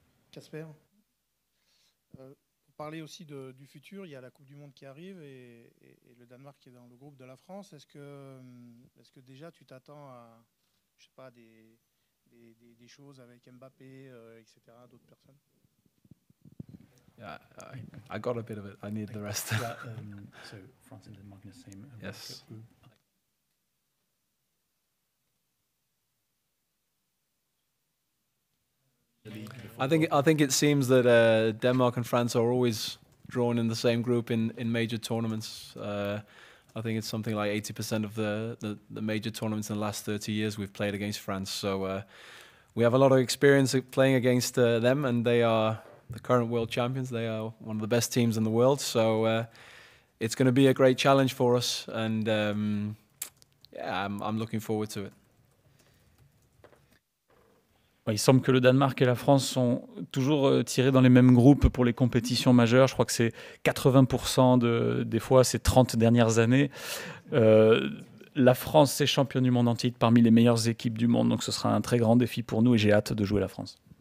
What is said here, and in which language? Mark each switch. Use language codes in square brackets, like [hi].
[fr] Casper, pour parler aussi du futur, il y a la Coupe du Monde qui arrive et le Danemark qui est dans le groupe de la France. Est-ce que déjà tu t'attends à, je sais pas, des choses avec Mbappé, etc., d'autres personnes? [en] Yeah, I got a bit of it. I need the rest. Yeah, so France and Denmark in the same group. Yes. I think it seems that Denmark and France are always drawn in the same group in major tournaments. I think it's something like 80% of the major tournaments in the last 30 years we've played against France. So we have a lot of experience playing against them, and they are the current world champions. They are one of the best teams in the world. So it's going to be a great challenge for us, and I'm looking forward to it. [fr] Il semble que le Danemark et la France sont toujours tirés dans les mêmes groupes pour les compétitions majeures. Je crois que c'est 80% des fois ces 30 dernières années. La France, c'est championne du monde en titre parmi les meilleures équipes du monde. Donc ce sera un très grand défi pour nous et j'ai hâte de jouer la France.